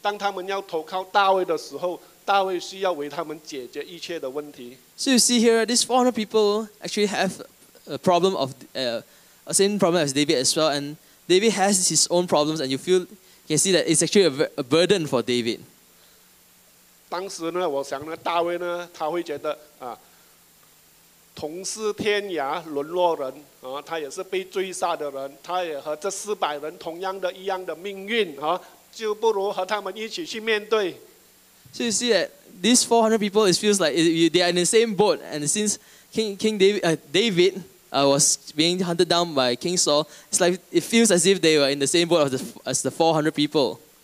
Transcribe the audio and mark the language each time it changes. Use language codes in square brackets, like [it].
[zh] 其实呢，这400人呢，我们想一下，真的是很大的一个重担，因为呢，这400个人呢，他们的问题呢，就是这个大卫的问题。当他们要投靠大卫的时候。 [en] So you see here, these 400 people actually have a problem of a same problem as David as well, and David has his own problems, and you can see that it's actually a burden for David. [zh] 当时呢，我想呢，大卫呢，他会觉得啊，同是天涯沦落人啊，他也是被追杀的人，他也和这400人同样的一样的命运啊，就不如和他们一起去面对。 [en] So you see that these 400 people, it feels like they are in the same boat. And since King David was being hunted down by King Saul, it's like it feels as if they were in the same boat as the 400 people.